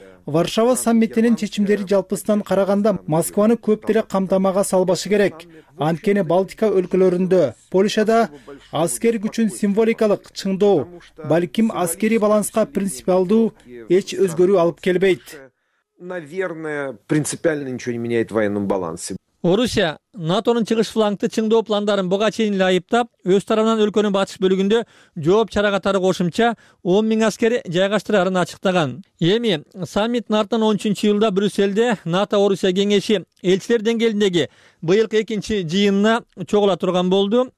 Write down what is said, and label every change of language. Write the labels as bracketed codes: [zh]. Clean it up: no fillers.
[ky] Варшава саммитинин чечимдери жалпысынан караганда Москваны көп деле камтамага салбашы керек. Анткени Балтика өлкөлөрүндө, Польшада аскер күчүн символикалык чыңдоо, балким аскерий баланска принципиалдуу эч өзгөрүү алып келбейт. [ru] Наверное, принципиально ничего не меняет в военном балансе. [ky] Орусия НАТОнун чыгыш флангты чыңдоо пландарын буга чейин эле айыптап, өз тарабынан өлкөнүн батыш бөлүгүндө жооп чара катары кошумча 10,000 аскери жайгаштырарын ачыктаган. Эми саммиттин артынан 13 июлда Брюсселде НАТО Орусия кеңеши элчилер деңгээлиндеги быйылкы экинчи жыйынына чогула турган болду.